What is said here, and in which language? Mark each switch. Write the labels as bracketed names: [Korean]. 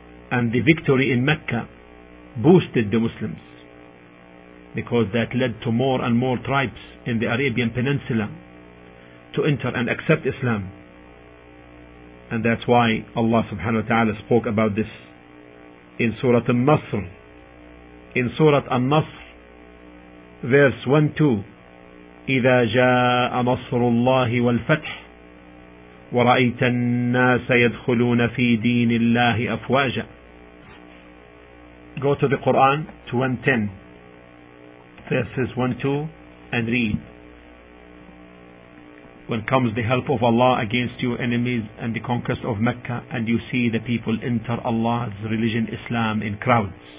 [English] And the victory in Mecca boosted the Muslims, because that led to more and more tribes in the Arabian Peninsula to enter and accept Islam. And that's why Allah subhanahu wa ta'ala spoke about this in Surah An-Nasr. [Arabic] In Surah An-Nasr, verse 1-2, إِذَا جَاءَ نَصْرُ اللَّهِ وَالْفَتْحِ وَرَأَيْتَ النَّاسَ يَدْخُلُونَ فِي دِينِ اللَّهِ أَفْوَاجًا. [English] Go to the Quran, 2 and 10, verses 1-2, and read, when comes the help of Allah against your enemies and the conquest of Mecca, and you see the people enter Allah's religion, Islam, in crowds.